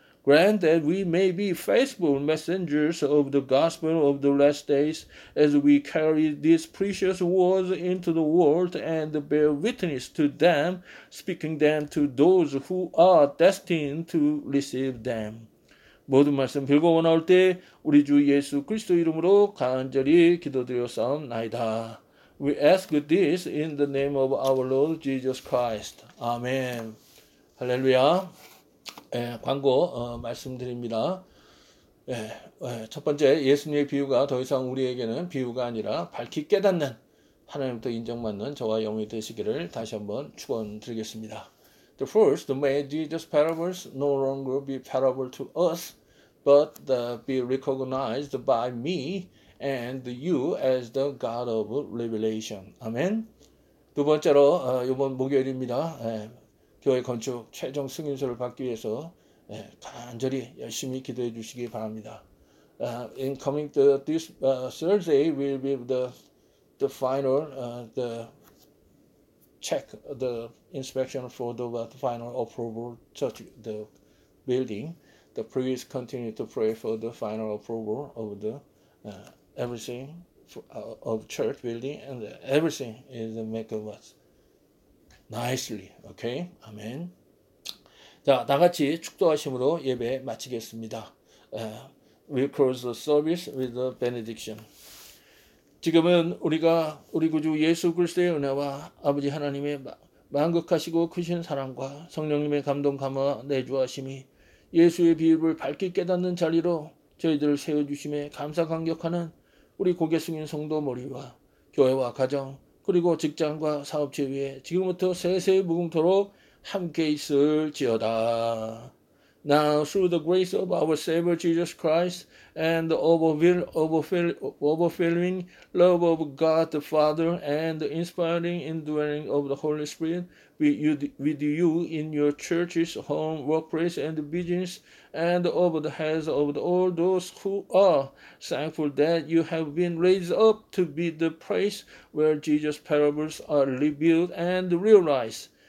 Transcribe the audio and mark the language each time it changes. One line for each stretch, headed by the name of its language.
English: Grant that we may be faithful messengers of the gospel of the last days as we carry these precious words into the world and bear witness to them, speaking them to those who are destined to receive them.
Korean: 모든 말씀 빌고 나올 때 우리 주 예수 그리스도 이름으로 간절히 기도드렸사옵나이다.
English: We ask this in the name of our Lord Jesus Christ.
Korean: Amen. Hallelujah. 예, 광고 말씀드립니다. 첫 번째 예수님의 비유가 더 이상 우리에게는 비유가 아니라 밝히 깨닫는 하나님부터 인정받는 저와 영이 되시기를 다시 한번 축원드리겠습니다.
English: The first, may Jesus' parables no longer be parable to us, but be recognized by me and you as the God of Revelation. Amen.
Korean: 두 번째로 이번 목요일입니다. 교회 건축 최종 승인서를 받기 위해서 간절히 열심히 기도해 주시기 바랍니다.
English: In coming to this Thursday will be the final the check the inspection for the final approval of the building. The priest continue to pray for the final approval of the everything of church building and everything is make of us nicely. Okay, amen.
Korean: 자, 다 같이 축도하심으로 예배 마치겠습니다.
English: We close the service with the benediction.
Korean: 지금은 우리가 우리 구주 예수 그리스도의 은혜와 아버지 하나님의 만극하시고 크신 사랑과 성령님의 감동 감화 내주하심이 예수의 비밀을 밝게 깨닫는 자리로 저희들을 세워주심에 감사 감격하는 우리 고개 숙인 성도 머리와 교회와 가정 그리고 직장과 사업체 위에 지금부터 세세히 무궁토록 함께 있을지어다.
English: Now through the grace of our Savior Jesus Christ and the overflowing love of God the Father and the inspiring indwelling of the Holy Spirit with you in your churches, home, workplace, and business, and over the heads of all those who are thankful that you have been raised up to be the place where Jesus' parables are revealed and realized.